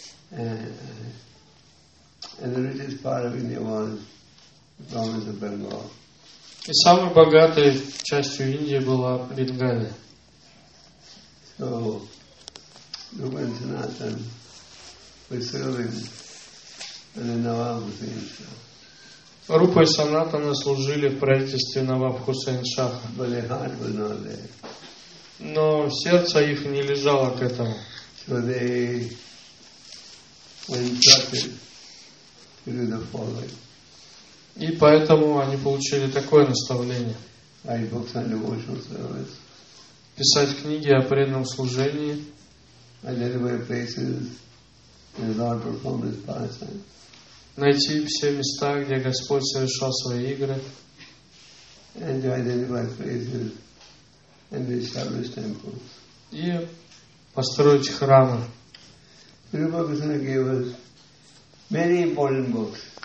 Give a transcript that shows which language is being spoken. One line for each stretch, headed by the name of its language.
English: And the richest part of India was the province of Bengal.
Russian: И самой богатой частью Индии была Бенгалия.
English: So, Rupa and Sanatan were serving in the Nawab Hussain Shah.
Russian: Rupa и Санатана служили в правительстве Наваб Хусейн Шаха.
English: But their heart was not there.
Russian: Но сердце их не лежало к этому.
English: So they were instructed to do the following.
Russian: И поэтому они получили такое наставление.
English: Write books on devotional service.
Russian: Писать книги о преданном служении.
English: Identify places where the Lord performed his pastime.
Russian: Найти все места, где Господь совершал свои игры.
English: And identify places and establish temples.
Russian: И построить храмы.
English: Rupa Goswami gave us many important books.